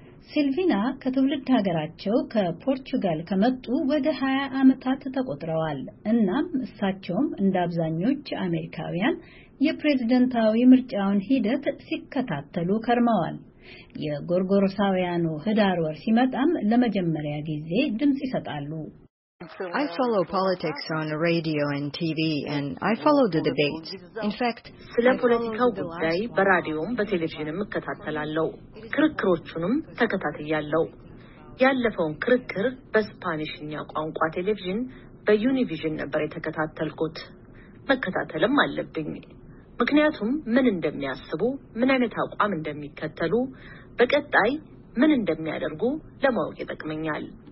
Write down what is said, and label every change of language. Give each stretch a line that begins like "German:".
Amharic: ሲልቪና ከትውልድ ሀገራቸው ከፖርቹጋል ከመጡ ወደ 20 አመታት ተቆጥረዋል። እናም እሳቸውም እንዳብዛኞች አሜሪካውያን የፕሬዝዳንታዊ ምርጫውን ሂደት ሲከታተሉ ከርመዋል። የጎርጎሮሳውያኑ ህዳር ወር ሲመጣም ለመጀመሪያ ጊዜ ድምጽ ይሰጣሉ።
English: I follow politics on the radio and TV and I follow the debates. In fact,
Amharic: ስለ ፖለቲካው ጉዳይ በራዲዮም በቴሌቪዥንም እከታተላለሁ። ክርክሮቹንም ተከታተያለሁ። ያለፈውን ክርክር በስፓኒሽኛ ቋንቋ ቴሌቪዥን በዩኒቪዥን ነበር የተከታተልኩት። መከታተልም አለብኝ። ምክንያቱም ምን እንደሚያስቡ፣ ምን አይነት አቋም እንደሚከተሉ፣ በቀጣይ ምን እንደሚያደርጉ ለማወቅ ይጠቅመኛል።